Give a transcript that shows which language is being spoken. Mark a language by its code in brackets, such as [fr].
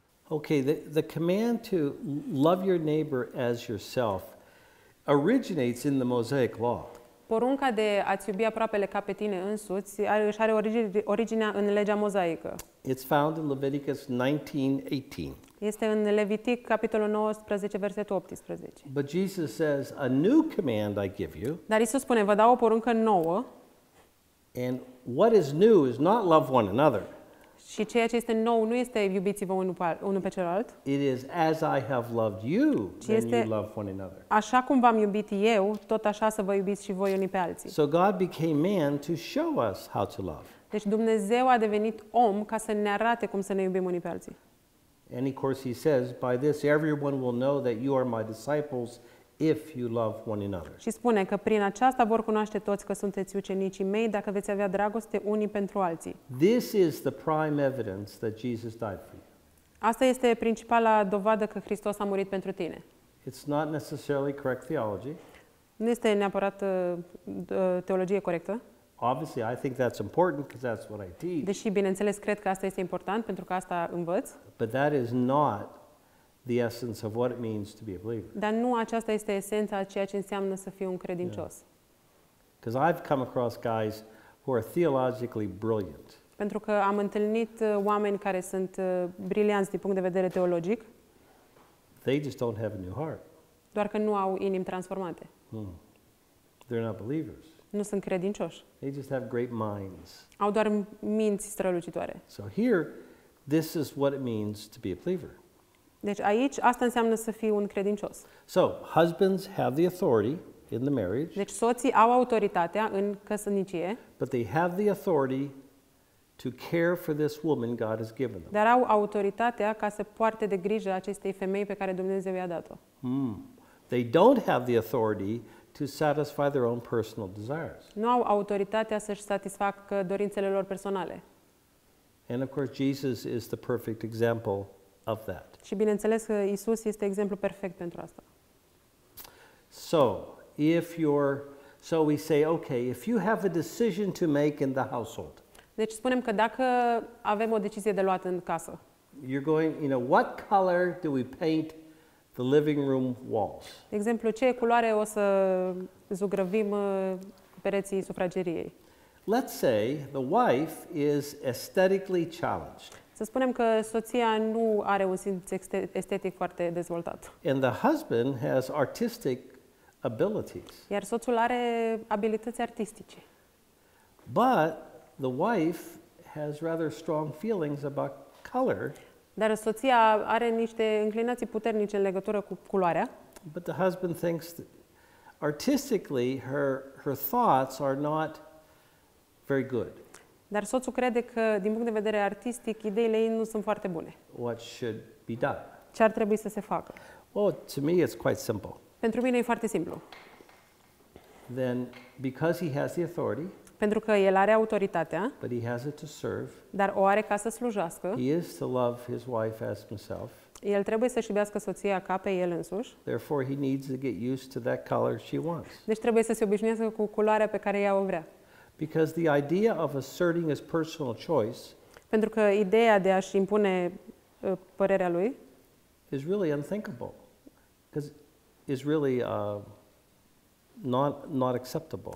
[en] Okay, the command to love your neighbor as yourself originates in the Mosaic law. [ro] Porunca de a-ți iubi aproapele ca pe tine însuți își are originea în legea mozaică. [en] It's found in Leviticus 19:18. [ro] Este în Levitic capitolul 19 versetul 18. [en] But Jesus says, a new command I give you. [ro] Dar Iisus spune, vă dau o poruncă nouă. [en] And what is new is not love one another. [ro] Și ceea ce este nou nu este iubiți-vă unul pe celălalt. [en] It is as I have loved you, then you love one another. [ro] Așa cum v-am iubit eu, tot așa să vă iubiți și voi unii pe alții. [en] So God became man to show us how to love. [ro] Deci Dumnezeu a devenit om ca să ne arate cum să ne iubim unii pe alții. [en] And of course he says, by this everyone will know that you are my disciples if you love one another. [ro] Și spune că prin aceasta vor cunoaște toți că sunteți ucenicii mei dacă veți avea dragoste unii pentru alții. [en] This is the prime evidence that Jesus died for you. [ro] Asta este principala dovadă că Hristos a murit pentru tine. [en] It's not necessarily correct theology. [ro] Nu este neapărat teologie corectă. [en] Obviously, I think that's important because that's what I teach. [ro] Deși bineînțeles cred că asta este important pentru că asta învăț. [en] But that is not the essence of what it means to be a believer. [ro] Dar nu aceasta este esența a ceea ce înseamnă să fii un credincios. [en] Because yeah. I've come across guys who are theologically brilliant. [ro] Pentru că am întâlnit oameni care sunt brilianți din punct de vedere teologic. [en] They just don't have a new heart. [ro] Doar că nu au inimi transformate. [en] They're not believers. [ro] Nu sunt credincioși. [en] They just have great minds. [ro] Au doar minți strălucitoare. [en] So here, this is what it means to be a believer. [ro] Deci aici asta înseamnă să fii un credincios. [en] So, husbands have the authority in the marriage. [ro] Deci soții au autoritatea în căsnicie. [en] But they have the authority to care for this woman God has given them. [ro] Dar au autoritatea ca să poarte de grijă acestei femei pe care Dumnezeu i-a dat-o. [en] They don't have the authority to satisfy their own personal desires. [ro] Nu au autoritatea să-și satisfacă dorințele lor personale. [en] And of course Jesus is the perfect example of that. [ro] Și bineînțeles că Isus este exemplu perfect pentru asta. [en] So, we say, okay, if you have a decision to make in the household. [ro] Deci spunem că dacă avem o decizie de luat în casă. [en] You're going, you know, what color do we paint the living room walls? [ro] De exemplu, ce culoare o să zugrăvim pereții sufrageriei? [en] Let's say the wife is aesthetically challenged. [ro] Să spunem că soția nu are un simț estetic foarte dezvoltat. [en] And the husband has artistic abilities. [ro] Iar soțul are abilități artistice. [en] But the wife has rather strong feelings about color. [ro] Dar soția are niște înclinații puternice în legătură cu culoarea. [en] But the husband thinks that artistically her thoughts are not very good. [ro] Dar soțul crede că, din punct de vedere artistic, ideile ei nu sunt foarte bune. [en] What should be done? [ro] Ce ar trebui să se facă? [en] Well, to me it's quite simple. [ro] Pentru mine e foarte simplu. [en] Then, because he has the authority, [ro] pentru că el are autoritatea, [en] but he has it to serve, [ro] dar o are ca să slujească, [en] he is to love his wife as himself. [ro] El trebuie să-și iubească soția ca pe el însuși. [en] Therefore, he needs to get used to that color she wants. [ro] Deci trebuie să se obișnuiască cu culoarea pe care ea o vrea. [en] Because the idea of asserting his personal choice, [ro] pentru că ideea de a-și impune părerea lui, [en] is really unthinkable, because is really not acceptable.